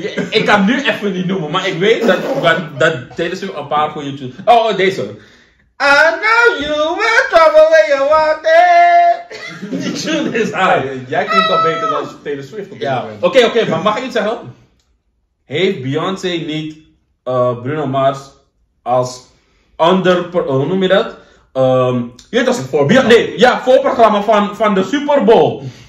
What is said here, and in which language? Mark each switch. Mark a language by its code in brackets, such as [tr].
[nl] Ik kan nu even niet noemen, maar ik weet dat Taylor Swift een paar goede tunes. Oh, deze. [en] I know you were trouble when you want it. [nl] Die tune is hard. Jij klinkt al beter dan Taylor Swift op dit moment. Oké, maar mag ik iets zeggen? Heeft Beyoncé niet Bruno Mars als ander, hoe noem je dat? Je weet als een voorprogramma. Voorprogramma van de Super Bowl.